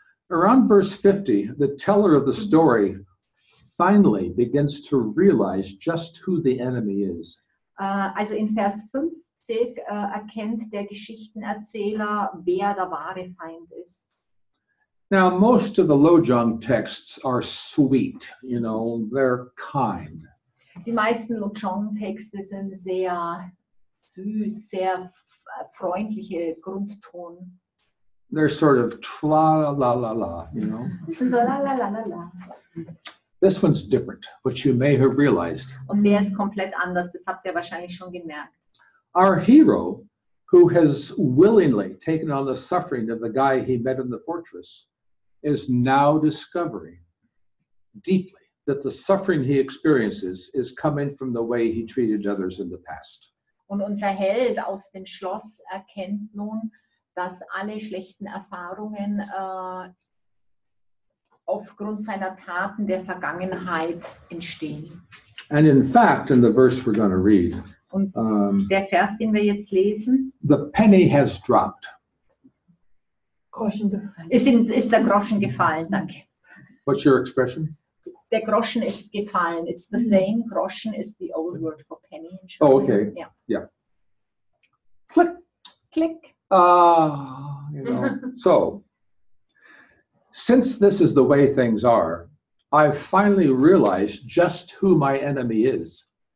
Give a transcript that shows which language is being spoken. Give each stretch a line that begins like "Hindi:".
English: Around verse 50, the teller of the story finally begins to realize just who the enemy is.
German: Also in Vers 50 erkennt der Geschichtenerzähler, wer der wahre Feind ist.
English: Now, most of the Lojong texts are sweet, you know, they're kind.
German: Die meisten Lojong-Texte sind sehr süß, sehr freundliche Grundton.
English: They're sort of tra-la-la-la-la, you know. So, la-la-la-la-la. This one's different, which you may have realized.
German: Und der ist komplett anders, das habt ihr wahrscheinlich schon gemerkt.
English: Our hero, who has willingly taken on the suffering of the guy he met in the fortress, is now discovering deeply that the suffering he experiences is coming from the way he treated others in the past.
German: Und unser Held aus dem Schloss erkennt nun, dass alle schlechten Erfahrungen aufgrund seiner Taten der Vergangenheit entstehen.
English: And in fact, in the verse we're going to read,
German: der Vers, den wir jetzt lesen,
English: the penny has dropped.
German: Ist der Groschen gefallen, danke.
English: What's your expression?
German: Der Groschen ist gefallen.
English: It's the same.
German: Groschen
English: is the old word for penny. Oh, okay. Yeah. Yeah. Click. Click. You know. So, since this is the way things are, I've finally realized just who my enemy is.